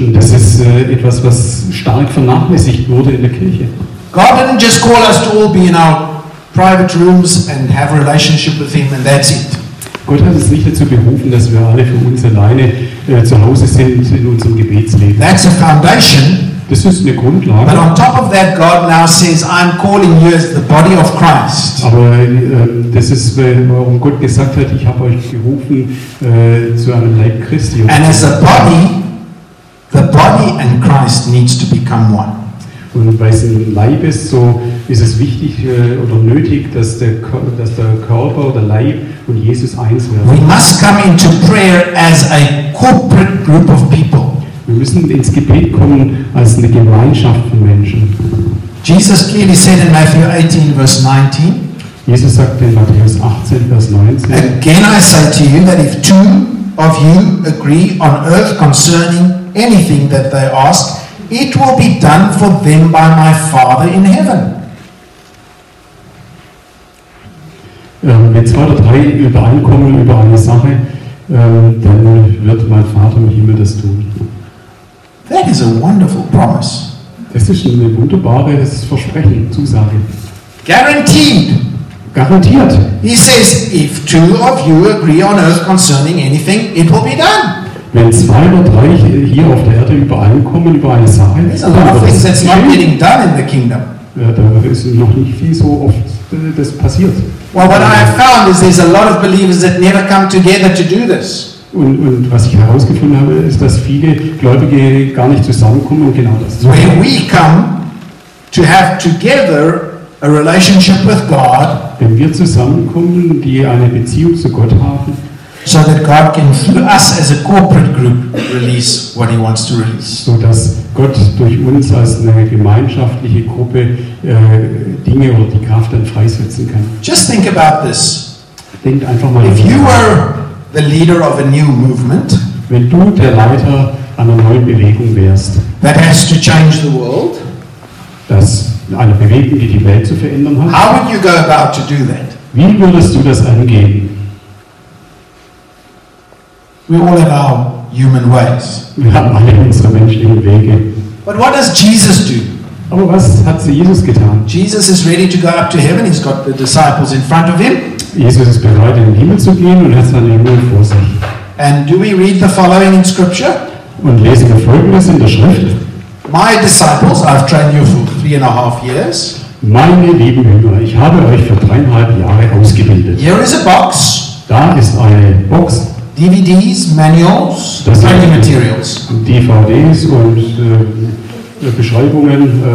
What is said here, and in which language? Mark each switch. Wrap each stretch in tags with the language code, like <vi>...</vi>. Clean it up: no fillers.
<de>Und das ist etwas, was stark vernachlässigt wurde in der Kirche.</de> <en>God didn't just call us to all be in our private rooms and have a relationship with him and that's it.</en> <de>Gott hat es nicht dazu berufen, dass wir alle für uns alleine zu Hause sind in unserem Gebetsleben.</de> <en>That's a foundation.</en> <de>Das ist eine Grundlage.</de> <en>But on top of that, God now says, I'm calling you as the body of Christ.</en> <de>Aber das ist, warum Gott gesagt hat, ich habe euch gerufen zu einem Leib Christi.</de> <en>And as a body, the body and Christ needs to become one.</en> <de>Und weil es ein Leib ist, so ist es wichtig oder nötig, dass der Körper oder Leib und Jesus eins werden.</de> <en>We must come into prayer as a corporate group of people.</en> <de>Wir müssen ins Gebet kommen als eine Gemeinschaft von Menschen.</de> <en>Jesus clearly said in Matthew 18, verse 19.</en> <de>Jesus sagte in Matthäus 18, Vers 19.</de> <en>Again I say to you that if two of you agree on earth concerning anything that they ask, it will be done for them by my Father in heaven.</en> <de>Wenn zwei oder drei übereinkommen über eine Sache, dann wird mein Vater im Himmel das tun.</de> <en>That is a wonderful promise.</en> <de>Das ist ein wunderbares Versprechen, Zusage.</de> <en>Guaranteed.</en> <de>Garantiert.</de> <en>He says, if two of you agree on earth concerning anything, it will be done.</en> <de>Wenn zwei oder drei hier auf der Erde übereinkommen über eine Sache,</de> <en>there's a lot of things that's not getting done in the kingdom.</en> <de>Da ist noch nicht viel so oft das passiert.</de> <en>Well, what I have found is there's a lot of believers that never come together to do this.</en> <de>Und was ich herausgefunden habe, ist, dass viele Gläubige gar nicht zusammenkommen und genau das.</de> <en>When we come to have together a relationship with God,</en> <de>wenn wir zusammenkommen, die eine Beziehung zu Gott haben,</de> <en>so that God can through us as a corporate group release what He wants to release,</en> <de>so dass Gott durch uns als eine gemeinschaftliche Gruppe Dinge oder die Kraft dann freisetzen kann.</de> <en>Just think about this.</en> <de>Denkt einfach mal.</de> <en>If you were the leader of a new movement,</en> <de>wenn du der Leiter einer neuen Bewegung wärst,</de> <en>that has to change the world,</en> <de>das eine Bewegung, die Welt zu verändern hat,</de> <en>how would you go about to do that?</en> <de>Wie würdest du das angehen?</de> <en>We all have our human ways.</en> <de>Wir haben alle unsere menschlichen Wege.</de> <en>But what does Jesus do?</en> <de>Aber was hat Jesus getan?</de> <en>Jesus is ready to go up to heaven. He's got the disciples in front of him.</en> <de>Jesus ist bereit, in den Himmel zu gehen und hat seine Jünger vor sich.</de> <en>And do we read the following in Scripture?</en> <de>Und lesen wir Folgendes in der Schrift?</de> <en>My disciples, I've trained you for 3.5 years.</en> <de>Meine lieben Jünger, ich habe euch für 3.5 Jahre ausgebildet.</de> <en>Here is a box.</en> <de>Da ist eine Box.</de> <en>DVDs, manuals,</en> <de>das</de> <en>training</en> <de>heißt,</de> <en>materials.</en> <de>DVDs und Beschreibungen,</de>